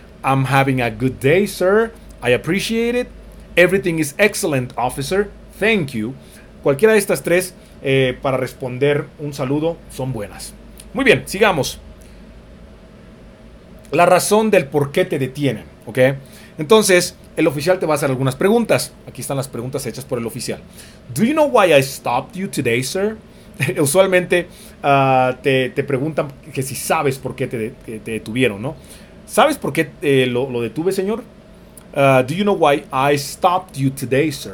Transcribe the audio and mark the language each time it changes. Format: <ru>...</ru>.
<en>I'm having a good day, sir. I appreciate it. Everything is excellent, officer. Thank you.</en> <es>Cualquiera de estas tres para responder un saludo son buenas. Muy bien, sigamos. La razón del por qué te detienen, ¿ok? Entonces, el oficial te va a hacer algunas preguntas. Aquí están las preguntas hechas por el oficial.</es> <en>Do you know why I stopped you today, sir?</en> <es>Usualmente te preguntan que si sabes por qué te detuvieron, ¿no? ¿Sabes por qué lo detuve, señor?</es> <en>Do you know why I stopped you today, sir?</en>